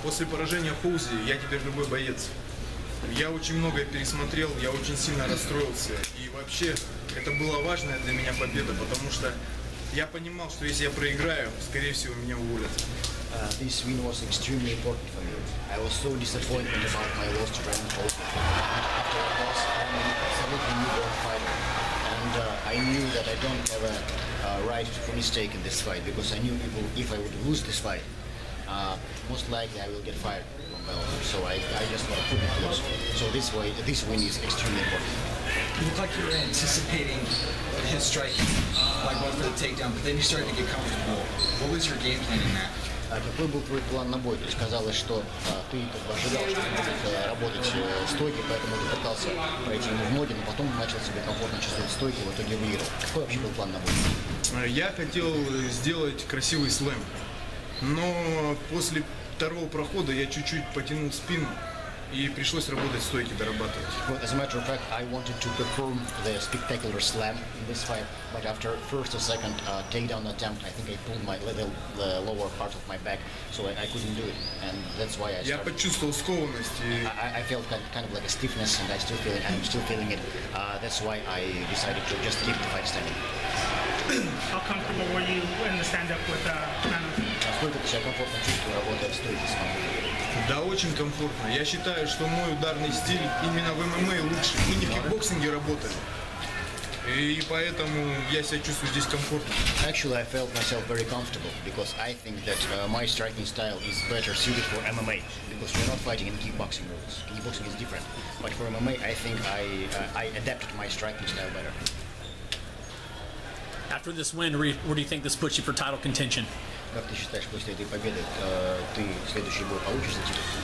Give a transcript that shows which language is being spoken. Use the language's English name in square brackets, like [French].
[Russian] После поражения Хоузи я теперь другой боец. Я очень многое пересмотрел, я очень сильно расстроился. И вообще, это была важная для меня победа, потому что я понимал, что если я проиграю, скорее всего, меня уволят. [English] This win was extremely important for me. I was so disappointed about my loss to Brandon Hall. After the loss, I'm an absolutely new world fighter. And I knew that I don't have a right to mistake in this fight, because I knew people, if I would lose this fight, most likely I will get fired from Bellator. So I just want to put it close. So this way, this win is extremely important. You look like you were anticipating his striking, like going for the takedown, but then you started to get comfortable. What was your game plan in that? [Russian] Какой был твой план на бой? То есть казалось, что ты как бы ожидал, что будет работать стойки, поэтому ты пытался пройти ему в ноги, но потом начал себе комфортно чувствовать стойки, в итоге выиграл. Какой вообще был план на бой? Я хотел сделать красивый слэм, но после второго прохода я чуть-чуть потянул спину. И пришлось работать стойки, дорабатывать. [English] Well, as a matter of fact, I wanted to perform the spectacular slam in this fight, but after first or second takedown attempt, I think I pulled my the lower part of my back, so I couldn't do it, and that's why I. [Russian] Я почувствовал скованность. [English] I felt kind of like a stiffness, and I still feel it. I'm still feeling it. That's why I decided to just keep the fight standing. How comfortable were you in the stand-up with [Russian] Насколько ты себя комфортно чувствуешь, работая в стойке с вами? Да, очень комфортно. Я считаю, что мой ударный стиль именно в ММА лучше. Мы не в кикбоксинге работали. И поэтому я себя чувствую здесь комфортно. [English] Actually, I felt myself very comfortable, because I think that my striking style is better suited for MMA, because we're not fighting in kickboxing rules. Kickboxing is different. But for MMA, I think I adapted my striking style better. After this win, where do you think this puts you for title contention? [Russian] Как ты считаешь, после этой победы ты следующий бой получишь за титул?